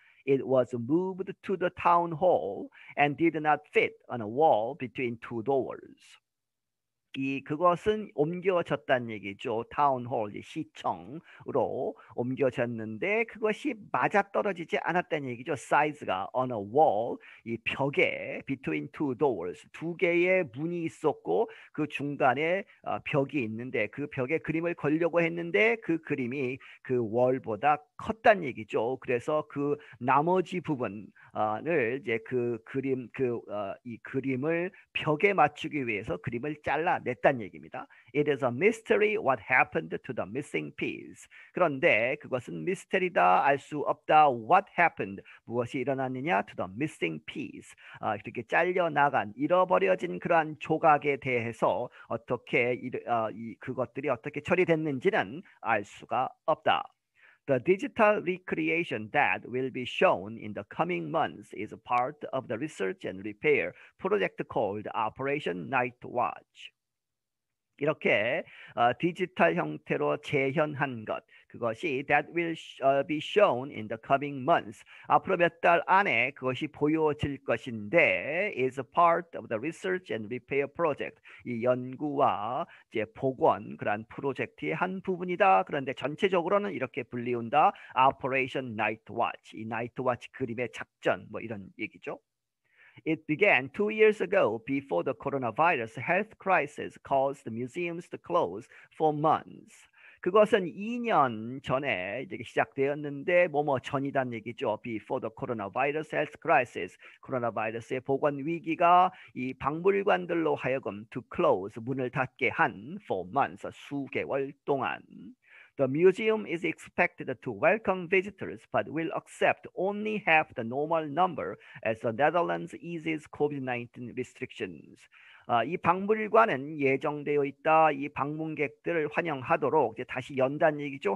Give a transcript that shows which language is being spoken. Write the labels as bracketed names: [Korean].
[English] It was moved to the town hall and did not fit on a wall between two doors. [Korean] 이 그것은 옮겨졌다는 얘기죠. Town hall, 시청으로 옮겨졌는데 그것이 맞아떨어지지 않았다는 얘기죠. Size가 [English] on a wall, [Korean] 이 벽에 [English] between two doors, [Korean] 두 개의 문이 있었고 그 중간에 벽이 있는데 그 벽에 그림을 걸려고 했는데 그 그림이 그 wall보다 컸다는 얘기죠. 그래서 그 나머지 부분 을 이제 그 그림 그 이 그림을 벽에 맞추기 위해서 그림을 잘라냈다는 얘기입니다. [English] It is a mystery what happened to the missing piece. [Korean] 그런데 그것은 미스터리다, 알 수 없다. [English] What happened? [Korean] 무엇이 일어났느냐? [English] To the missing piece. [Korean] 이렇게 잘려 나간 잃어버려진 그러한 조각에 대해서 어떻게 이 그것들이 어떻게 처리됐는지는 알 수가 없다. [English] The digital recreation that will be shown in the coming months is part of the research and repair project called Operation Night Watch. [Korean] 이렇게 디지털 형태로 재현한 것, 그것이 [English] that will be shown in the coming months. [Korean] 앞으로 몇 달 안에 그것이 보여질 것인데 [English] is a part of the research and repair project. [Korean] 이 연구와 이제 복원 그런 프로젝트의 한 부분이다. 그런데 전체적으로는 이렇게 불리운다. Operation Night Watch. 이 Night Watch 그림의 작전 뭐 이런 얘기죠. [English] It began 2 years ago before the coronavirus health crisis caused the museums to close for months. [Korean] 그것은 2년 전에 이렇게 시작되었는데 뭐뭐 전이란 얘기죠. [English] Before the coronavirus health crisis, [Korean] 코로나 바이러스의 보건 위기가 이 박물관들로 하여금 [English] to close, [Korean] 문을 닫게 한 [English] for months, [Korean] 수개월 동안. [English] The museum is expected to welcome visitors but will accept only half the normal number as the Netherlands eases COVID-19 restrictions. [Korean] 이 박물관은 예정되어 있다. 이 방문객들을 환영하도록 이제 다시 연다는 얘기죠.